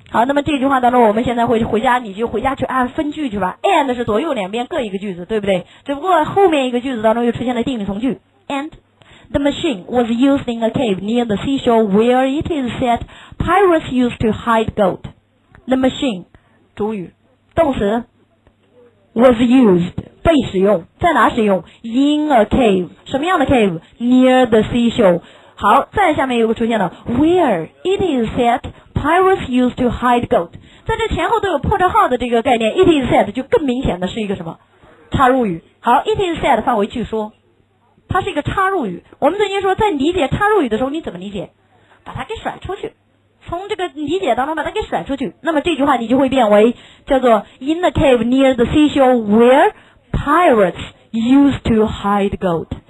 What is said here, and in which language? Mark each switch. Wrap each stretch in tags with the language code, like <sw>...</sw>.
<zh>好，那么这句话当中，我们现在会回家，你就回家去按分句去吧。 And 是左右两边各一个句子，对不对？只不过后面一个句子当中又出现了定语从句。</zh> <en>And the machine was used in a cave near the seashore where it is said pirates used to hide gold.</en> <zh>The machine， 主语，动词</zh> <en>was used，</en> <zh>被使用，在哪使用 ？</zh> <en>In a cave，</en> <zh>什么样的 cave？</zh> <en>Near the seashore。</en> <zh>好，再下面又出现了</zh> <en>where it is said。 Pirates used to hide gold，</en> <zh>在这前后都有破折号的这个概念，</zh> <en>it is said</en> <zh>就更明显的是一个什么插入语。好，</zh> <en>it is said</en> <zh>范围据说，它是一个插入语。我们最近说在理解插入语的时候你怎么理解，把它给甩出去，从这个理解当中把它给甩出去，那么这句话你就会变为叫做</zh> <en>in the cave near the seashore where pirates used to hide gold。</en>